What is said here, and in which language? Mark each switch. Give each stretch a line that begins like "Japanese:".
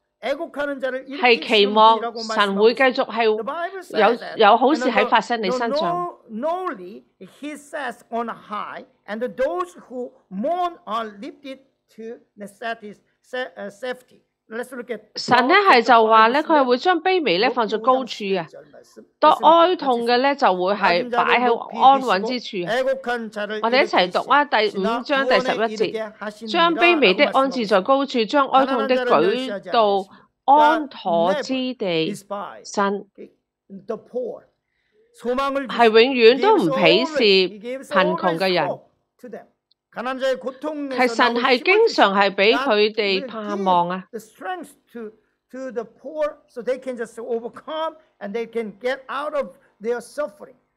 Cantonese: 是期望神会继续系有好事喺发生你身上。
English: Normally, he says on high, and those who mourn are lifted to safety.
Cantonese: 神咧系就话咧，佢系会将卑微咧放在高处啊，多哀痛嘅咧就会系摆喺安稳之处。我哋一齐读啊，第五章第十一节，将卑微的安置在高处，将哀痛的举到安妥之地。神系永远都唔鄙视贫穷嘅人，系神系经常系俾佢哋盼望啊。
English: To the poor, so they can just overcome and they can get out of their suffering.